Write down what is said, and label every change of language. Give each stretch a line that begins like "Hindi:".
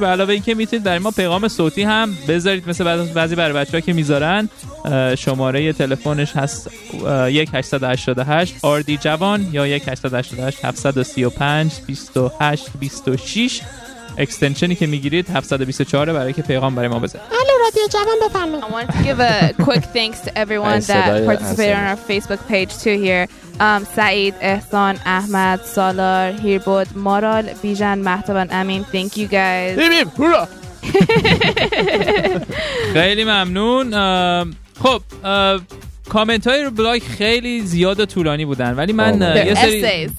Persian: به علاوه این که میتونید برای ما پیغام صوتی هم بذارید، مثل بعضی برای بچه ها که میذارن. شماره تلفنش هست 1-888-RD-JAVAN یا 1-888-735-2826. اکستنشنی که میگیرید 724 برای که پیغام برای ما بزنید. الو رادیو جوان بفرمایید.
English: I want to give a quick thanks to everyone that participated on our Facebook page too here.
Persian: سعید، احسان، احمد، سالار، هیربود، مارال، بیژن، مهتابان، امین.
English: Thank you guys.
Persian: بیم هورا. خیلی ممنون. خب کامنت های رو بلاگ خیلی زیاد و طولانی بودن، ولی من یه سری